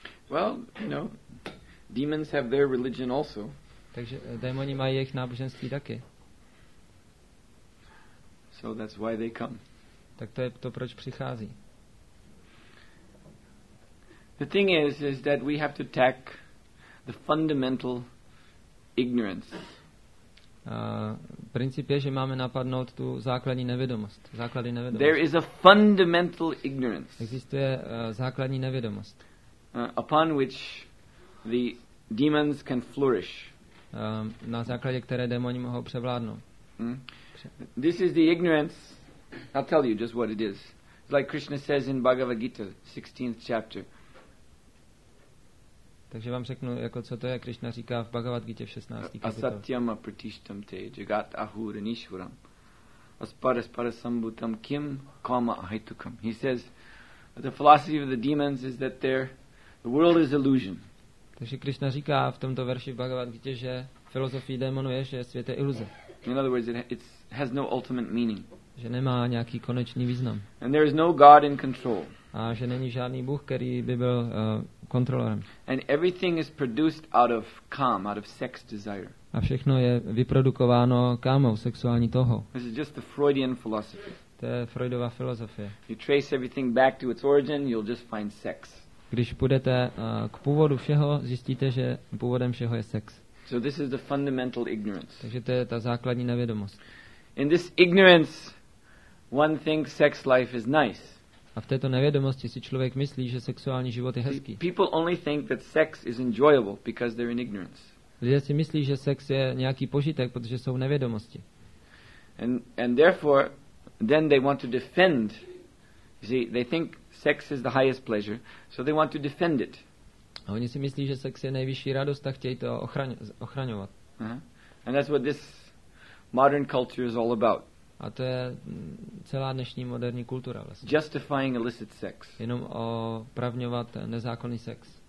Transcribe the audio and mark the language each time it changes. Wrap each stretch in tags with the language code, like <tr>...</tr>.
<en>Well, you know, demons have their religion also.</en> <cs>Takže démoni mají jejich náboženství taky.</cs> <en>So that's why they come.</en> <cs>Tak to je to, proč přichází.</cs> <en>The thing is that we have to attack the fundamental ignorance.</en> <cs>Princip je, že máme napadnout tu základní nevědomost. Základní nevědomost.</cs> <en>There is a fundamental ignorance.</en> <cs>Existuje základní nevědomost.</cs> <en>Upon which the demons can flourish.</en> <cs>Na základě které démoni mohou převládnout.</cs> <en>This is the ignorance. I'll tell you just what it is. It's like Krishna says in Bhagavad Gita, 16th chapter.</en> <cs>Takže vám řeknu, jako co to je, Krishna říká v Bhagavad Gita v 16. kapitole.</cs> <sa>Asatyam apratishtam te jagat ahura nishvaram. Asparas parasambhutam kim kama ahitukam.</sa> <en>He says, the philosophy of the demons is that The world is illusion.</en> <cs>Takže Krišna říká v tomto verši Bhagavad Gita, že filozofie démonů je, že svět je iluze.</cs> <en>In other words, it has no ultimate meaning.</en> <cs>Že nemá nějaký konečný význam.</cs> <en>And there is no God in control.</en> <cs>A že není žádný Bůh, který by byl kontrolorem.</cs> <en>And everything is produced out of kam, out of sex desire.</en> <cs>A všechno je vyprodukováno kámou, sexuální toho.</cs> <en>This is just the Freudian philosophy.</en> <cs>To je Freudova filozofie.</cs> <en>If you trace everything back to its origin, you'll just find sex.</en> <cs>Když půjdete k původu všeho, zjistíte, že původem všeho je sex.</cs> <en>So this is the fundamental ignorance.</en> <cs>Takže to je ta základní nevědomost.</cs> <en>In this ignorance, one thinks sex life is nice.</en> <cs>A v této nevědomosti si člověk myslí, že sexuální život je hezký.</cs> <en>People only think that sex is enjoyable because they're in ignorance.</en> <cs>Lidé si myslí, že sex je nějaký požitek, protože jsou v nevědomosti.</cs> <en>And therefore, then they want to defend. See, they think sex is the highest pleasure, so they want to defend it.</en> <cs>A oni si myslí, že sex je nejvyšší radost, a chtějí to ochraňovat. Uh-huh.</cs> <en>And that's what this modern culture is all about.</en> <cs>A to je celá dnešní moderní kultura vlastně.</cs> <en>Justifying illicit sex.</en> <cs>Jenom opravňovat nezákonný sex.</cs>